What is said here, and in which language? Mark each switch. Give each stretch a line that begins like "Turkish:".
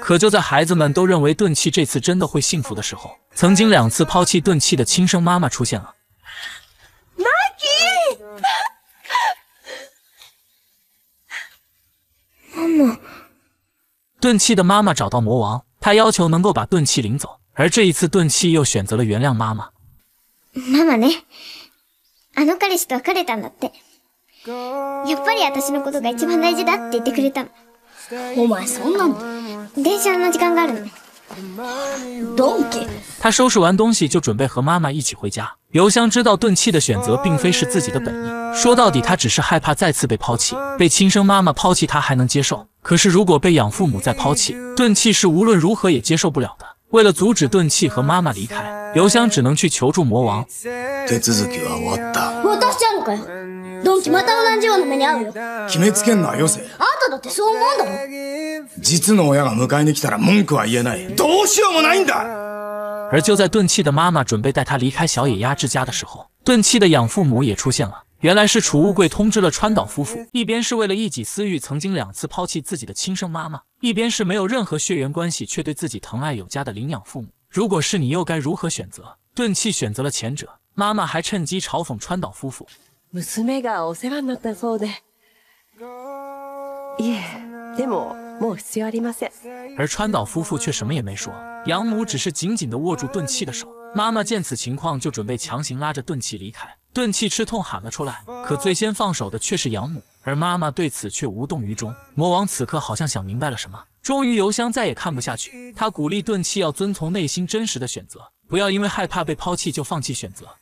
Chinese: 可就在孩子们都认为顿契这次真的会幸福的时候，曾经两次抛弃顿契的亲生妈妈出现了。 Maki! 妈妈。顿契的妈妈找到魔王，她要求能够把顿契领走，而这一次顿契又选择了原谅妈妈。
Japanese: 妈妈ね、あの彼氏と別れたんだって。やっぱり私のことが一番大事だって言ってくれたの。お前そんなの。電車の時間があるの。ドンキ。
Chinese: 他收拾完东西就准备和妈妈一起回家。油香知道顿气的选择并非是自己的本意，说到底他只是害怕再次被抛弃，被亲生妈妈抛弃他还能接受，可是如果被养父母再抛弃，顿气是无论如何也接受不了的。为了阻止顿气和妈妈离开，油香只能去求助魔王。
Japanese: 手続きは終わった。渡しちゃうのかよ。ドンキまた同じような目に遭うよ。決めつけんなよせ。あんただってそう思うんだろ。実の親が迎えに来たら文句は言えない。どうしようもないんだ。
Chinese: 而就在顿气的妈妈准备带他离开小野鸭之家的时候，顿气的养父母也出现了。原来是储物柜通知了川岛夫妇，一边是为了一己私欲曾经两次抛弃自己的亲生妈妈，一边是没有任何血缘关系却对自己疼爱有加的领养父母。如果是你又该如何选择？顿气选择了前者，妈妈还趁机嘲讽川岛夫妇。
Japanese: 娘がお世話になったそうで。いえ、でも、もう必要ありません。
Chinese: 而川岛夫妇却什么也没说，养母只是紧紧地握住顿气的手。妈妈见此情况就准备强行拉着顿气离开。顿气吃痛喊了出来，可最先放手的却是养母，而妈妈对此却无动于衷。魔王此刻好像想明白了什么，终于油香再也看不下去，他鼓励顿气要遵从内心真实的选择，不要因为害怕被抛弃就放弃选择。